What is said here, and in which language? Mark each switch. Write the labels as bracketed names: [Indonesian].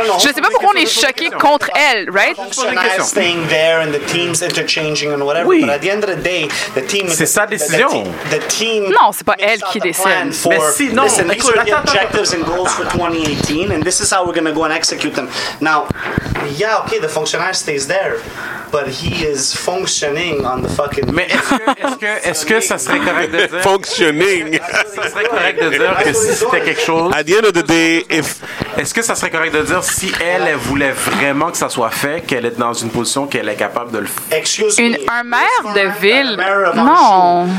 [French] Je sais pas pourquoi on est choqué contre elle, right? [English] Staying there and the teams interchanging and whatever. [French] Oui. [English] But at the end of the day, the team. [French] C'est sa décision. [English] The team. [French] Non, c'est pas elle qui décide. Mais si, non. [English] Listen, these are the objectives and goals for 2018, and this is how we're going to go and execute them. Now, yeah, okay, the fonctionnaire stays there, but he is functioning on the fucking. [French] Mais est-ce que ça serait correct de dire? [English] Functioning. [French] Ça serait correct de dire que si c'était quelque chose. [English] At the end of the day, if... [French] Est-ce que ça serait correct de dire si elle voulait vraiment que ça soit fait, qu'elle est dans une position qu'elle est capable de le faire? [English] Excuse [French] une, [English] me. [French] Un maire de ville? Non.